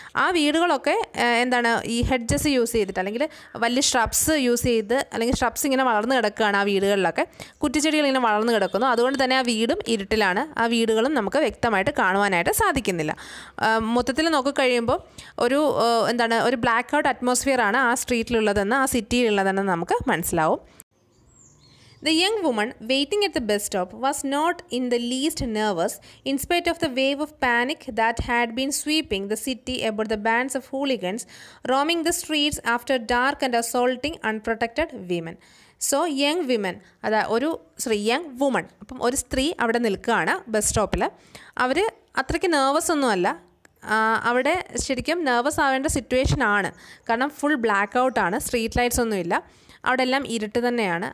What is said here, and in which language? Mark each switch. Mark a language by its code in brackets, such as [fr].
[ml] ആ വീടുകളൊക്കെ എന്താണ് ഈ ഹെഡ്ജസ് യൂസ് ചെയ്തിട്ട്, അല്ലെങ്കിൽ വലിയ ഷ്രബ്സ് യൂസ് ചെയ്ത്, അല്ലെങ്കിൽ ഷ്രബ്സ് ഇങ്ങനെ വളർന്ന് കിടക്കുകയാണ് ആ വീടുകളിലൊക്കെ, കുറ്റിച്ചെടികൾ ഇങ്ങനെ വളർന്ന് കിടക്കുന്നു. അതുകൊണ്ട് തന്നെ ആ വീടും ഇരുട്ടിലാണ്, ആ വീടുകളും നമുക്ക് വ്യക്തമായിട്ട് കാണുവാനായിട്ട് സാധിക്കുന്നില്ല. മൊത്തത്തിൽ നോക്കിക്കഴിയുമ്പോൾ ഒരു എന്താണ് ഒരു ബ്ലാക്ക് ഔട്ട് അറ്റ്മോസ്ഫിയറാണ് ആ സ്ട്രീറ്റിലുള്ളതെന്ന്, ആ സിറ്റിയിലുള്ളതെന്ന് നമുക്ക് മനസ്സിലാവും. [en] The young woman waiting at the bus stop was not in the least nervous in spite of the wave of panic that had been sweeping the city about the bands of hooligans roaming the streets after dark and assaulting unprotected women. [ml] So young women, അതായത് ഒരു young woman, അപ്പം ഒരു സ്ത്രീ അവിടെ നിൽക്കുകയാണ് bus സ്റ്റോപ്പിൽ. അവർ അത്രയ്ക്ക് nervous ഒന്നുമല്ല, അവിടെ ശരിക്കും നെർവസ് ആവേണ്ട സിറ്റുവേഷൻ ആണ്, കാരണം ഫുൾ ബ്ലാക്ക് ഔട്ടാണ്, സ്ട്രീറ്റ് ലൈറ്റ്സ് ഒന്നുമില്ല, അവിടെ എല്ലാം ഇരുട്ട് തന്നെയാണ്.